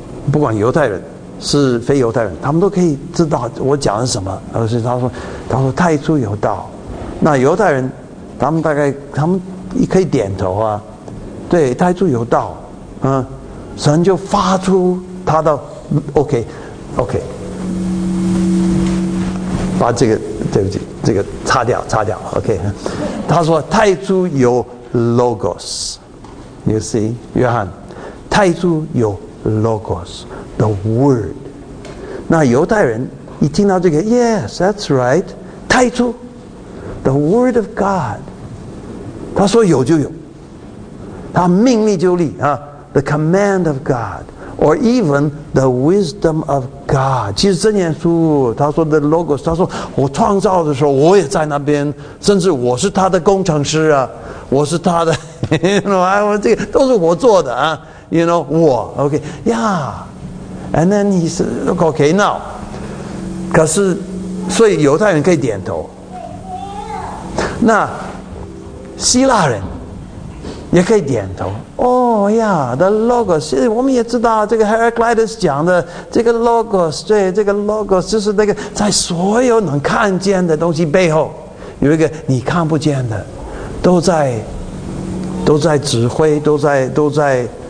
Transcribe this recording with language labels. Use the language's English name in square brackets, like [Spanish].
[Chinese] 不管犹太人是非犹太人，他们都可以知道我讲的是什么。而是他说太初有道，那犹太人他们也可以点头啊，对，太初有道，嗯，神就发出他的 OK， 把这个对不起，这个擦掉 OK， 他说太初有 logos， [English] you see， [Chinese] 约翰，太初有。 [English] Logos, the word. [Chinese] 那犹太人一听到这个 [English] ，Yes, that's right. [Chinese] 太初 [English] the word of God. [Chinese] 他说有就有，他命立就立啊。 [English] The command of God, or even the wisdom of God. [Chinese] 其实这件书，他说的 Logos， 他说我创造的时候我也在那边，甚至我是他的工程师啊，我是他的，我这个都是我做的啊。 [English] You know, 我 okay, yeah, and then he said, okay, now. [Chinese] 可是，所以犹太人可以点头。那希腊人也可以点头。 [English] Oh yeah, the logos. [Chinese] 我们也知道这个 Heraclitus 讲的这个 logos， 对，这个 logos 就是那个在所有能看见的东西背后有一个你看不见的，都在指挥，都在。